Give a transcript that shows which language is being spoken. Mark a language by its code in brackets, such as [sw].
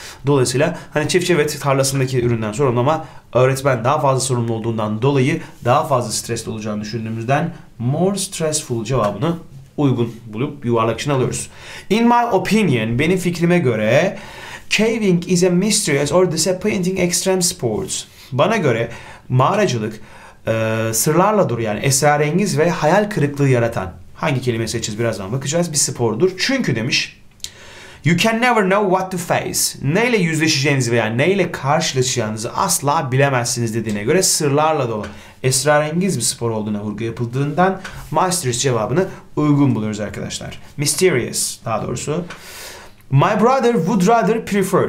[tr] Dolayısıyla hani çiftçi ve tarlasındaki üründen sorumlu ama öğretmen daha fazla sorumlu olduğundan dolayı daha fazla stresli olacağını düşündüğümüzden [en] more stressful [tr] cevabını uygun bulup yuvarlak içine alıyoruz. [en] In my opinion, [tr] benim fikrime göre [en] caving is a mysterious or disappointing extreme sport. [tr] Bana göre mağaracılık sırlarla dolu, yani esrarengiz ve hayal kırıklığı yaratan, hangi kelime seçeceğiz birazdan bakacağız, bir spordur. Çünkü demiş, [en] you can never know what to face. [tr] Neyle yüzleşeceğinizi veya neyle karşılaşacağınızı asla bilemezsiniz dediğine göre sırlarla dolu, esrarengiz bir spor olduğuna vurgu yapıldığından mysterious cevabını uygun buluyoruz arkadaşlar. [en] Mysterious [tr] daha doğrusu. [en] My brother would rather prefer.